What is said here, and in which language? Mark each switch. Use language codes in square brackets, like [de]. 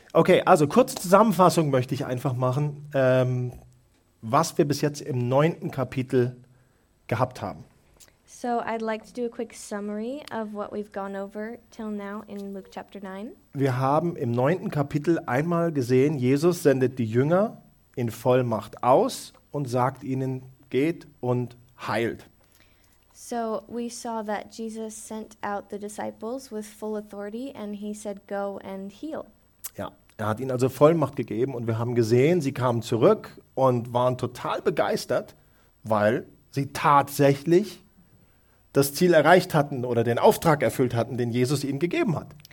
[de] Okay, also kurze Zusammenfassung möchte ich einfach machen, was wir bis jetzt im 9. Kapitel gehabt haben. [en] So I'd like to do a quick summary of what we've gone over till now in Luke chapter 9. [de] Wir haben im 9. Kapitel einmal gesehen, Jesus sendet die Jünger in Vollmacht aus und sagt ihnen, geht und heilt. [en] So we saw that Jesus sent out the disciples with full authority and he said, go and heal. [de] Ja, er hat ihnen also Vollmacht gegeben und wir haben gesehen, sie kamen zurück und waren total begeistert, weil sie tatsächlich das Ziel erreicht hatten oder den Auftrag erfüllt hatten, den Jesus ihnen gegeben hat.